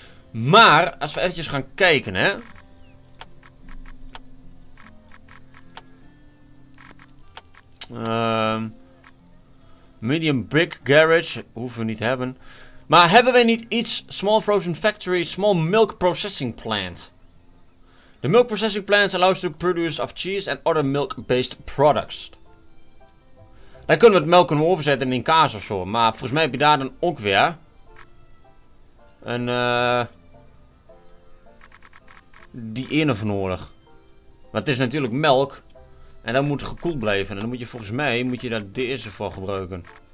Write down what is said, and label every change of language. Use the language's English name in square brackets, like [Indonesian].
[Dutch] Maar, als we eventjes gaan kijken, hè. Medium brick garage. Hoeven we niet hebben. Maar hebben we niet iets? Small frozen factory. Small milk processing plant. [English] The milk processing plant allows to produce of cheese and other milk based products. [Dutch] Daar kunnen we het melk kunnen overzetten in kaas ofzo. Maar volgens mij heb je daar dan ook weer. Die ene voor nodig. Want het is natuurlijk melk. En dat moet gekoeld blijven. En dan moet je volgens mij moet je daar deze voor gebruiken.